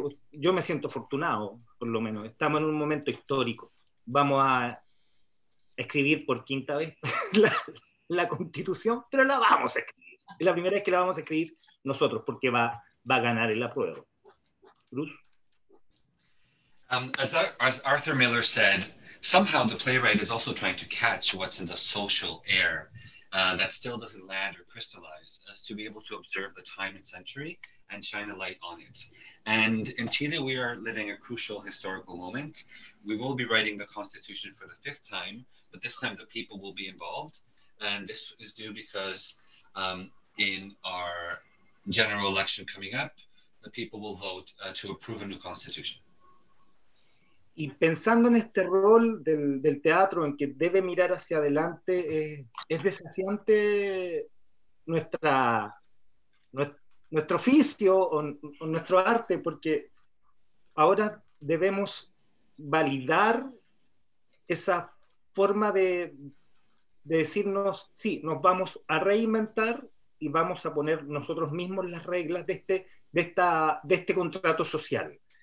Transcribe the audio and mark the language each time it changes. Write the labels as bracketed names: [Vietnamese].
[Spanish] Yo me siento afortunado, por lo menos. Estamos en un momento histórico. Vamos a escribir por quinta vez la Constitución, pero la vamos a escribir. Es la primera vez que la vamos a escribir nosotros, porque va a ganar el apruebo. [English] Bruce. As Arthur Miller said, somehow the playwright is also trying to catch what's in the social air. That still doesn't land or crystallize, as to be able to observe the time and century and shine a light on it. And in Chile, we are living a crucial historical moment. We will be writing the Constitution for the fifth time, but this time the people will be involved. And this is due because in our general election coming up, the people will vote to approve a new constitution. [Spanish] Y pensando en este rol del, del teatro, en que debe mirar hacia adelante, es desafiante nuestra, nuestro oficio o nuestro arte, porque ahora debemos validar esa forma de decirnos, sí, nos vamos a reinventar y vamos a poner nosotros mismos las reglas de este, de esta, de este contrato social.